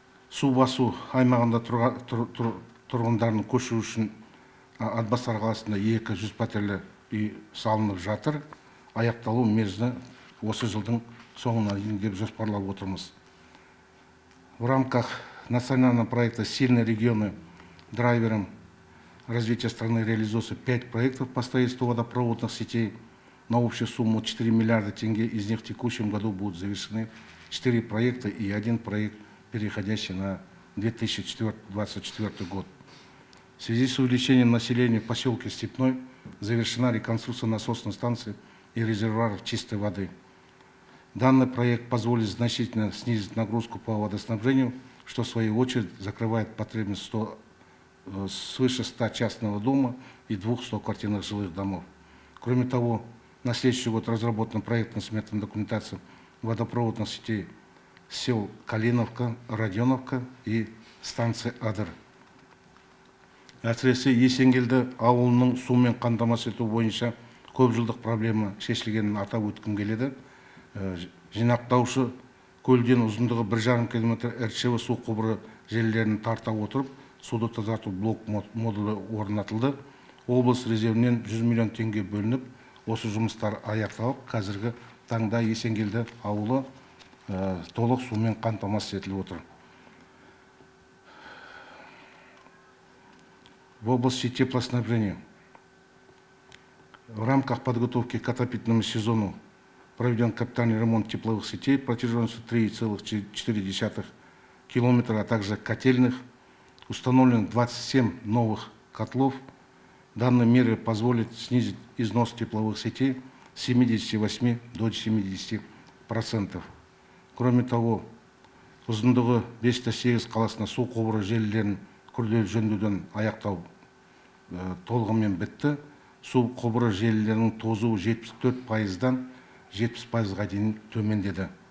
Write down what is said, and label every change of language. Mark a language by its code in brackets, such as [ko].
[kk] Су басу аймағында тұрғындарын көшу үшін Атбасар қаласында 200 пәтерлі үй салынып жатыр. Аяқталу мерзімі осы жылдың соңына дейін деп жоспарлап отырмыз. [ru] В рамках национального проекта «Сильные регионы» драйвером развития страны реализуются 5 проектов по строительству водопроводных сетей. на общую сумму 4 миллиарда тенге. Из них в текущем году будут завершены 4 проекта и один проект, переходящий на 2024 год. В связи с увеличением населения в поселке Степной завершена реконструкция насосной станции и резервуаров чистой воды. Данный проект позволит значительно снизить нагрузку по водоснабжению, что в свою очередь закрывает потребность свыше 100 частного дома и 200 квартирных жилых домов. Кроме того, на следующий год разработана проектно-сметная документация водопроводных сетей сел Калиновка, Родионовка и станции Адыр. [kk] Әсіресе Есенгелді ауылының сумен қамтамасыз ету бойынша көп жылдық проблема шешілгенін атап өткім келеді. Жинақтаушы көлден ұзындығы 1,5 км РЧВ су құбыры желілерін тарта отырып, суды тазарту блок модулы орнатылды. Облыс резервінен 100 миллион теңге бөлініп, осы жұмыстар аяқталып, қазіргі таңда Есенгелді ауылы толық сумен қамтамасыз етіліп отыр. [ru] В области теплоснабжения в рамках подготовки к отопительному сезону проведен капитальный ремонт тепловых сетей протяженностью 3,4 километра, а также котельных. Установлено 27 новых котлов. Данные меры позволят снизить износ тепловых сетей с 78 до 70%. Кроме того, [kk] ұзындығы 508 қаласына су құбыры желілерін күрделі жөндеуден аяқтау толығымен бітті. Су құбыры желілерінің тозуы 74%-дан 70%-ға дейін төмендеді.